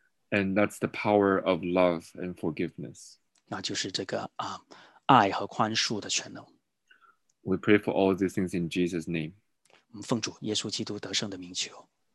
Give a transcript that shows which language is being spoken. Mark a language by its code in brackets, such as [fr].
[en] And that's the power of love and forgiveness. [zh] 那就是这个爱和宽恕的全能。 [en] We pray for all these things in Jesus' name. [zh] 我们奉主耶稣基督得胜的名求。